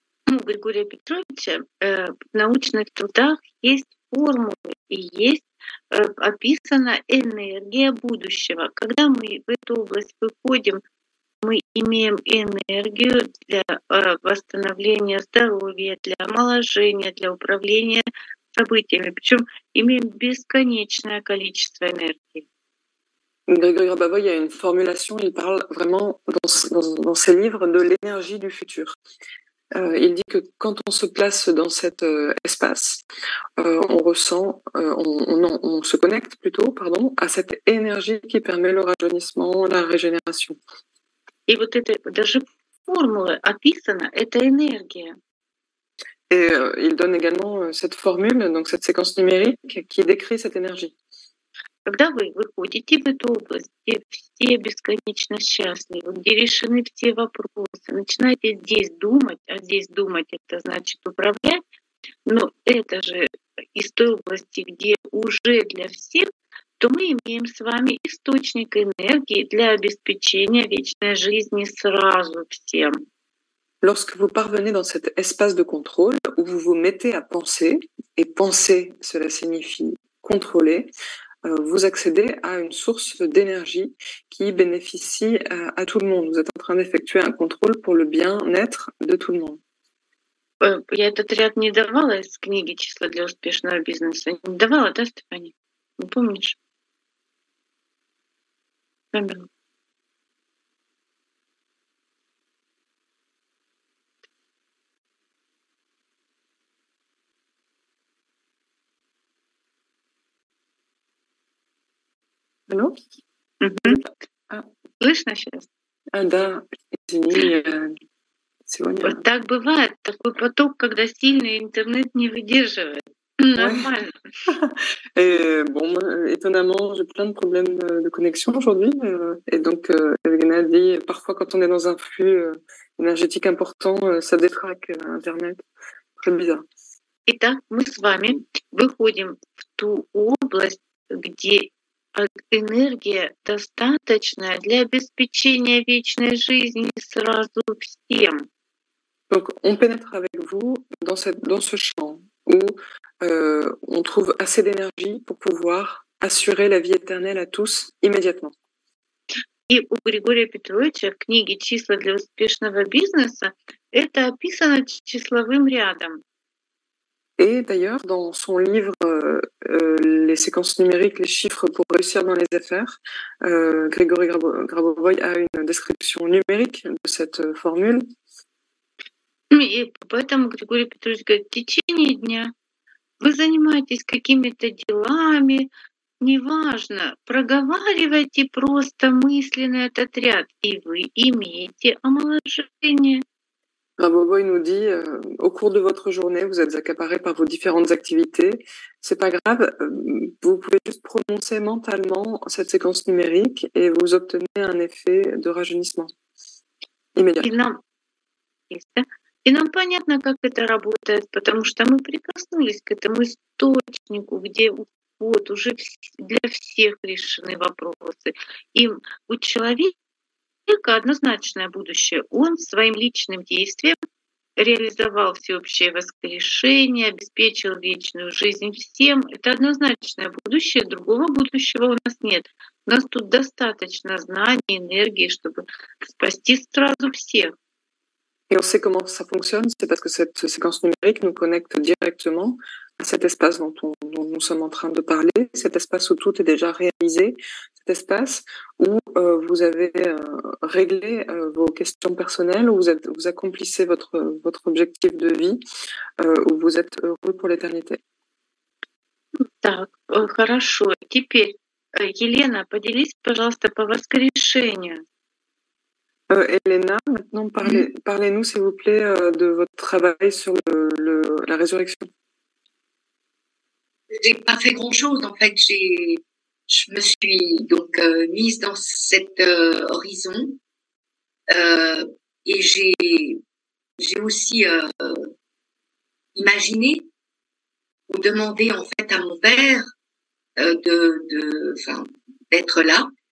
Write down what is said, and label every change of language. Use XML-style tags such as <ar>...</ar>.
<ru>У Григория Петровича в научных трудах есть формулы и есть описана энергия будущего. Когда мы в эту область выходим, мы имеем энергию для восстановления здоровья, для омоложения, для управления событиями. Причем имеем бесконечное количество энергии.</ru> <fr>Григорий Рабовой, il y a une formulation, il parle vraiment dans ses livres de l'énergie du futur. Il dit que quand on se place dans cet espace, on ressent, on se connecte plutôt, pardon, à cette énergie qui permet le rajeunissement, la régénération.</fr> <ru>Et вот эта даже формула описана, это энергия.</ru> <fr>Et il donne également cette formule, donc cette séquence numérique qui décrit cette énergie.</fr> <ru>Когда вы выходите в эту область, где все бесконечно счастливы, где решены все вопросы, начинаете здесь думать, а здесь думать — это значит управлять, но это же из той области, где уже для всех, то мы имеем с вами источник энергии для обеспечения вечной жизни сразу всем.</ru> <fr>Lorsque vous parvenez dans cet espace de contrôle où vous vous mettez à penser, et penser, cela signifie contrôler, vous accédez à une source d'énergie qui bénéficie à tout le monde. Vous êtes en train d'effectuer un contrôle pour le bien-être de tout le monde.</fr> <ru>Я этот ряд не давала из книги «Числа для успешного бизнеса». Не давала, да, Степани? Не помнишь? Камила. Алло? Слышно сейчас? Да, извини, Вот так бывает, такой поток, когда сильный интернет не выдерживает. Нормально.</ru> <fr>Étonnamment, j'ai plein de problèmes de connexion aujourd'hui. Et donc, Evgenia dit, parfois, quand on est dans un flux énergétique important, ça détraque Internet. Très bizarre.</fr> <ru>Итак, мы с вами выходим в ту область, где энергия достаточная для обеспечения вечной жизни сразу всем.</ru> <fr>Donc, on pénètre avec vous dans ce champ où on trouve assez d'énergie pour pouvoir assurer la vie éternelle à tous immédiatement.</fr> <ru>Et у Григория Петровича в книге «Числа для успешного бизнеса» это описано числовым рядом.</ru> <fr>Et d'ailleurs, dans son livre «Les séquences numériques, les chiffres pour réussir dans les affaires », Grégory Grabovoy a une description numérique de cette formule.</fr> <ru>И поэтому Григорий Петрович говорит, в течение дня вы занимаетесь какими-то делами, неважно, проговаривайте просто мысленно этот ряд, и вы имеете омоложение.</ru> <fr>Рабовой nous dit, au cours de votre journée, vous êtes accaparé par vos différentes activités, c'est pas grave, vous pouvez juste prononcer mentalement cette séquence numérique et vous obtenez un effet de rajeunissement. Immédiat.</fr> <ru>И нам понятно, как это работает, потому что мы прикоснулись к этому источнику, где вот уже для всех решены вопросы. И у человека однозначное будущее. Он своим личным действием реализовал всеобщее воскрешение, обеспечил вечную жизнь всем. Это однозначное будущее, другого будущего у нас нет. У нас тут достаточно знаний, энергии, чтобы спасти сразу всех.</ru> <fr>Et on sait comment ça fonctionne, c'est parce que cette séquence numérique nous connecte directement à cet espace dont nous sommes en train de parler, cet espace où tout est déjà réalisé, cet espace où vous avez réglé vos questions personnelles, où vous accomplissez votre objectif de vie, où vous êtes heureux pour l'éternité.</fr> <ru>Хорошо. Теперь, Елена, поделись, пожалуйста, по воскрешению.</ru> <fr>Elena, maintenant parlez-nous s'il vous plaît de votre travail sur la résurrection. J'ai pas fait grand-chose en fait, je me suis donc mise dans cet horizon et j'ai aussi imaginé ou demandé en fait à mon père de d'être là.</fr>